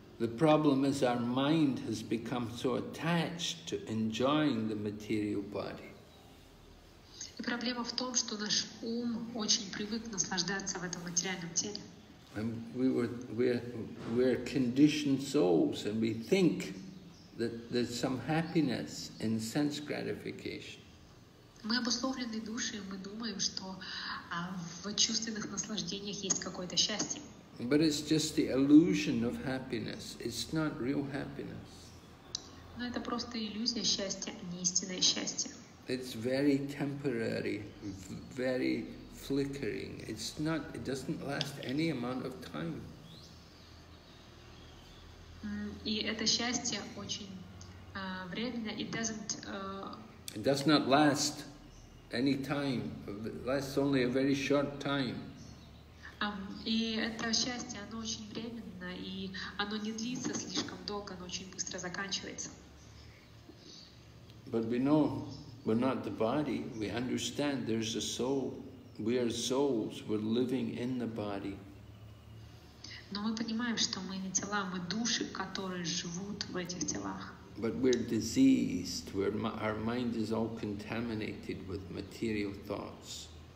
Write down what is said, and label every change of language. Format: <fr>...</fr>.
<en>The problem is our mind has become so attached to enjoying the material body.</en> <ru>И проблема в том, что наш ум очень привык наслаждаться в этом материальном теле.</ru> <en>And we're conditioned souls, and we think that there's some happiness in sense gratification.</en> <ru>Мы обусловленные души, мы думаем, что в чувственных наслаждениях есть какое-то счастье.</ru> <en>But it's just the illusion of happiness. It's not real happiness.</en> <ru>Но это просто иллюзия счастья, а не истинное счастье.</ru> <en>It's very temporary, very flickering. It's not. It doesn't last any amount of time.</en> <ru>И это счастье очень временно.</ru> <en>It doesn't. It does not last any time. It lasts only a very short time.</en> <ru>И это счастье, оно очень временно, и оно не длится слишком долго, оно очень быстро заканчивается.</ru> <en>But we know we're not the body. We understand there's a soul. We are souls. We're living in the body.</en> <ru>Но мы понимаем, что мы не тела, мы души, которые живут в этих телах.</ru> <en>But we're diseased. Our mind is all contaminated with material thoughts.</en>